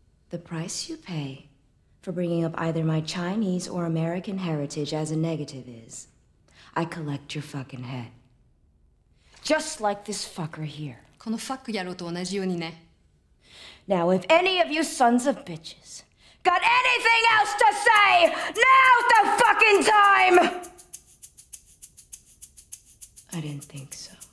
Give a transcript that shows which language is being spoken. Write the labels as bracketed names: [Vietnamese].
[English] The price you pay for bringing up either my Chinese or American heritage as a negative is, I collect your fucking head. Just like this fucker here. [Japanese] このファック野郎と同じようにね。 [English] Now, if any of you sons of bitches got anything else to say, now's the fucking time! I didn't think so.